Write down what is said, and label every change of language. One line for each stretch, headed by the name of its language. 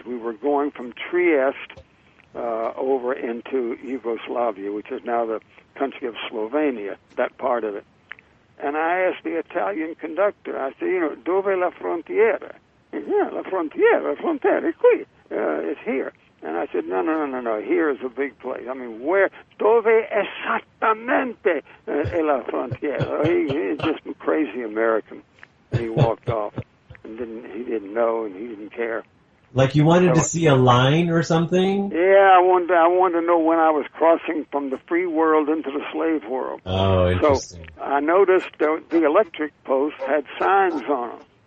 English: We were going from Trieste over into Yugoslavia, which is now the country of Slovenia, that part of it. And I asked the Italian conductor, I said, you know,
Italian: dove la frontiera?
English: And, yeah,
Italian: la frontiera, qui,
English: is here. And I said, no, here is a big place. I mean, where,
Italian: dove esattamente è la frontiera?
English: He's just a crazy American. And he walked off and he didn't know and he didn't care. Like you wanted to see a line or something? Yeah, I wanted to know when I was crossing from the free world into the slave world. Oh, interesting. So I noticed the electric post had signs on them.